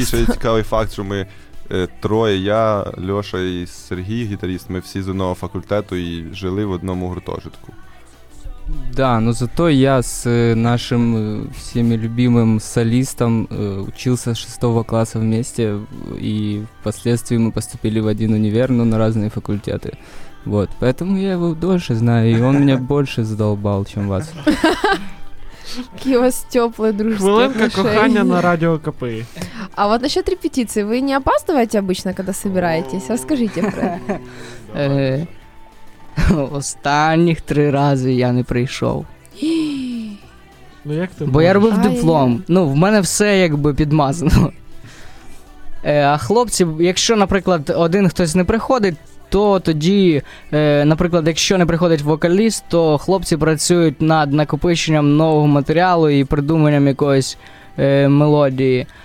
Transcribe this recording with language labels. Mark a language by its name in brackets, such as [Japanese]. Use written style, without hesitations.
[Ukrainian] Такий ще цікавий факт, що ми троє, я, Льоша і Сергій, гітарист, ми всі з одного факультету і жили в одному гуртожитку. [Russian] Да, ну зато [Ukrainian] я з нашим всім любимим солістом [Russian] учился [Ukrainian] з 6 класу в місті, і впоследстві ми поступили в один універ, но на різні факультети. Вот, [Russian] поэтому я его дольше знаю, и он меня больше задолбал, чем вас. Какие у вас теплые дружеские отношения. [Ukrainian] Хвилинка кохання на радио КП. [Russian] А вот насчет репетиции, вы не опаздываете обычно, когда собираетесь? Расскажите про это. [Ukrainian] Останніх три рази я не прийшов. Ну як ти? Бо я робив диплом. Ну, в мене все якби підмазано. А хлопці, якщо, наприклад, один хтось не приходить, то тоді, наприклад, якщо не приходить вокаліст, то хлопці працюють над накопиченням нового матеріалу і придуманням якоїсь мелодії.